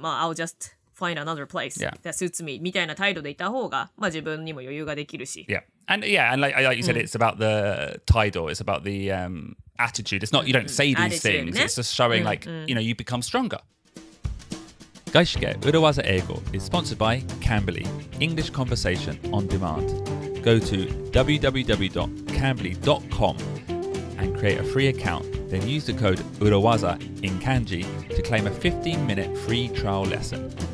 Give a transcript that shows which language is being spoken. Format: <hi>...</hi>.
<en>まあ、I'll just find another place that suits me.</en> <ja>みたいな態度でいた方が、まあ、自分にも余裕ができるし。</ja> <en>Yeah. And yeah, and like you said, it's about the title, it's about the attitude. It's not, you don't say these attitude, things,、</en> <ja>ね、</ja> <en>it's just showing like, you know, you become stronger. 外資系裏技英語 is sponsored by Cambly, English conversation on demand. Go to www.cambly.com and create a free account, then use the code 裏技 in kanji to claim a 15-minute free trial lesson.</en>